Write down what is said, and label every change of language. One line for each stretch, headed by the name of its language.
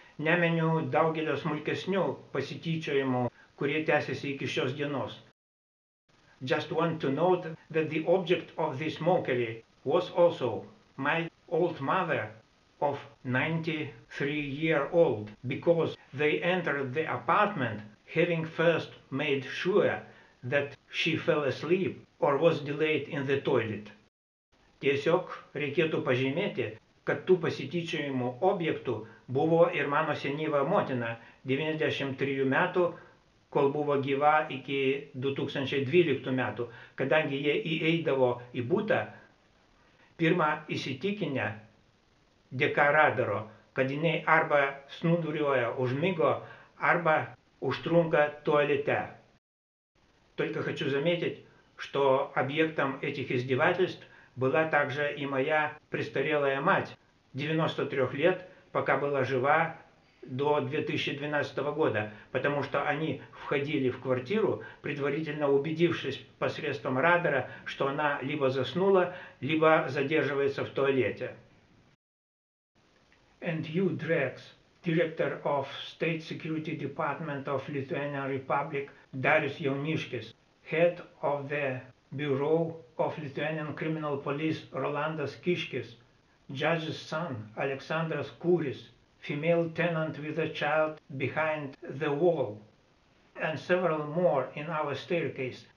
Lithuanian: Neminiu daugelio smulkesnių pasityčiojimų, kurie tęsiasi iki šios dienos.
English: Just want to note that the object of this mockery was also my old mother of 93 years old, because they entered the apartment having first made sure that she fell asleep or was delayed in the toilet.
Lithuanian: Tiesiog reikėtų pažymėti, kad tų pasityčiojimų objektų buvo ir mano senyva motina 93 metų, kol buvo gyva iki 2012 metų, kadangi jie įeidavo į būtą, pirmą įsitikinę dėka radaro, kad jinai arba snuduriuoja užmigo, arba užtrunka tualete.
Russian: Только хочу заметить, что объектом этих издевательств была также и моя престарелая мать, 93 лет, пока была жива до 2012 года, потому что они входили в квартиру, предварительно убедившись посредством радара, что она либо заснула, либо задерживается в туалете.
English: And you, Drex, Director of State Security Department of Lithuanian Republic, Darius Jauniškis, Head of the Bureau of Lithuanian Criminal Police, Rolandas Kiškis, Judge's son, Aleksandras Kūris, female tenant with a child behind the wall, and several more in our staircase.